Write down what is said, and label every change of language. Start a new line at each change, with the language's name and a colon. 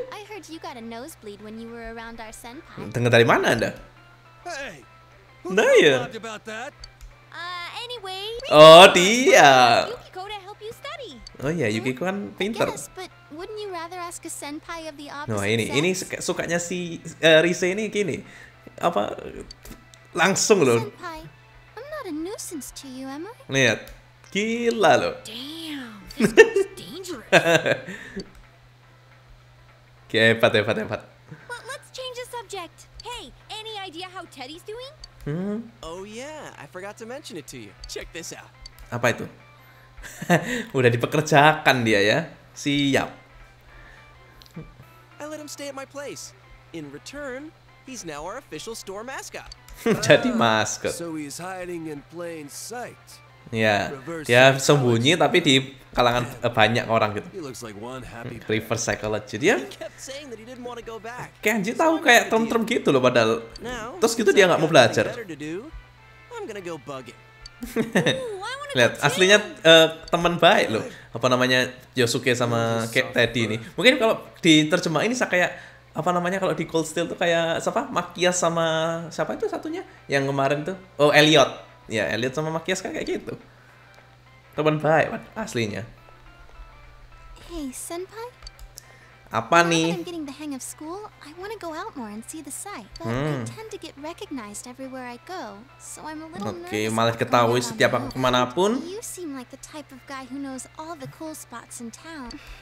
English: I heard you got a nosebleed when you were around our senpai.
Indonesian: Dengar dari mana anda?
English: Hey, who nah, ya. Talked about that? Anyway.
Indonesian: Oh dia.
English: Yukiko to help you study.
Indonesian: Oh ya, Yukiko kan pinter.
English: Wouldn't you rather ask a senpai of the opposite sex?
Indonesian: Nah, ini sukanya si Rise ini gini. Apa langsung loh.
English: Senpai, I'm not a nuisance to you, am I?
Indonesian: Lihat. Gila loh.
English: Damn. This is dangerous.
Indonesian: Hebat.
English: But let's change the subject. Hey, any idea how Teddy's doing? Oh yeah, I forgot to mention it to you. Check this out.
Indonesian: Apa itu? Udah dipekerjakan dia ya. Siap.
English: I let him stay at my place. In return, he's now our official store mascot.
Indonesian: Jadi maskot.
English: So he's hiding in plain sight.
Indonesian: Ya, dia sembunyi tapi di kalangan banyak orang gitu.
English: He looks like one happy reverse psychology dia. He kept saying that he didn't want to go back.
Indonesian: Kenji tahu kayak term-term gitu loh padahal.
English: Now,
Indonesian: terus gitu dia enggak mau belajar.
English: I'm gonna go bug it.
Indonesian: Lihat, aslinya teman baik loh. Apa namanya Yosuke sama Kate Teddy ini. Mungkin kalau diterjemah ini kayak apa namanya kalau di Cold Steel tuh kayak siapa? Makias sama siapa itu satunya? Yang kemarin tuh. Oh, Elliot. Ya, Elliot sama Makias kan kayak gitu. Teman baik man, aslinya.
English: Hey, senpai.
Indonesian: Apa nih?
English: I'm getting the hang of school. I want to go out more and see the sight. But I tend to get recognized everywhere I go, so I'm a little nervous.
Indonesian: Oke, malah ketahui setiap aku kemana pun.
English: You seem like the type of guy who knows all the cool spots in town.